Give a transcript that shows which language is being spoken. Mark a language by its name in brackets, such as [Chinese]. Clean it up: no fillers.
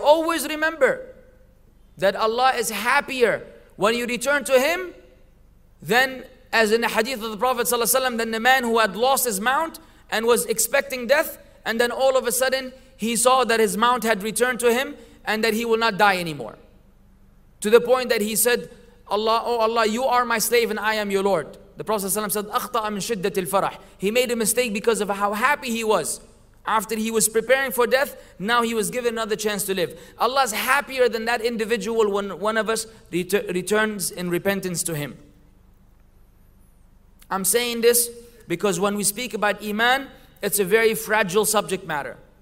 [English] Always remember that Allah is happier when you return to Him than, as in the hadith of the Prophet ﷺ, than the man who had lost his mount and was expecting death, and then all of a sudden he saw that his mount had returned to him and that he will not die anymore. To the point that he said, Allah, oh Allah, you are my slave and I am your Lord. The Prophet ﷺ said, [Arabic] أخطأ من شدة الفرح. [English] He made a mistake because of how happy he was. After he was preparing for death, now he was given another chance to live. Allah is happier than that individual when one of us returns in repentance to Him. I'm saying this because when we speak about Iman, It's a very fragile subject matter.